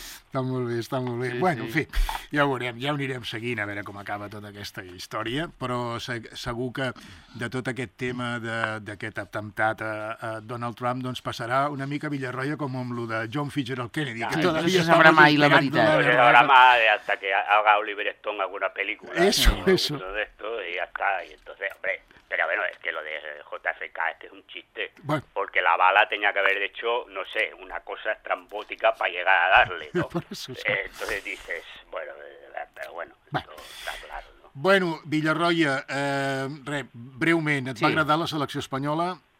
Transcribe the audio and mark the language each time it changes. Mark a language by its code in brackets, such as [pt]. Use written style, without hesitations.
[ca] Està molt bé, està molt bé. Sí, [es] bueno, sí. [ca] En fi, ja ho veurem, ja ho anirem seguint a veure com acaba tota aquesta història, però segur que de tot aquest tema d'aquest atemptat a Donald Trump, doncs passarà una mica a Villarroya com amb lo de John Fitzgerald Kennedy, que no se sabrà mai la veritat. [es] No [ca] se sabrà mai [es] hasta que haga Oliver Stone alguna película. Eso, ¿no? Eso. Todo esto y ya está. Y entonces, hombre, pero bueno, es que lo de JFK, este es un chiste. Bueno. Porque la bala tenía que haber hecho, no sé, una cosa estrambótica para llegar a darle, ¿no? Entonces dices, bueno, pero bueno, está claro. [ca] Bueno, Villarroya, breument, et va agradar la selecció espanyola?